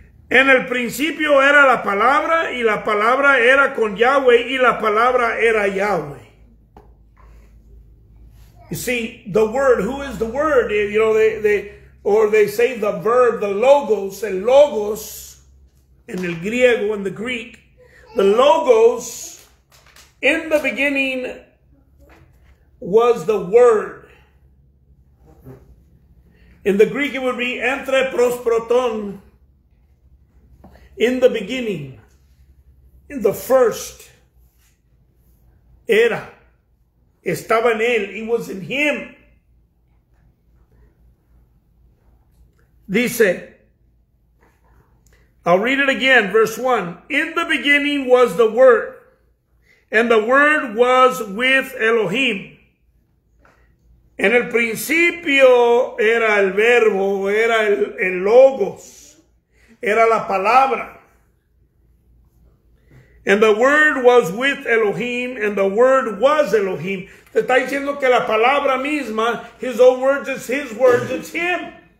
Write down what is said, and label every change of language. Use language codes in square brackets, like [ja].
[es] En el principio era la palabra, y la palabra era con Yahweh, y la palabra era Yahweh. [en] You see, the Word, who is the Word? You know, they say the verb, the logos, [es] el logos, en el griego, en [en] the Greek, the logos. In the beginning was the Word. In the Greek it would be entre pros proton. In the beginning. In the first. Era. [es] Estaba en él. [en] It was in him. Dice. I'll read it again. Verse 1. In the beginning was the Word. And the Word was with Elohim. [es] En el principio era el verbo, era el logos, era la palabra. [en] And the Word was with Elohim, and the Word was Elohim. [es] Te está diciendo que la palabra misma, [en] his own words, it's his words, it's him.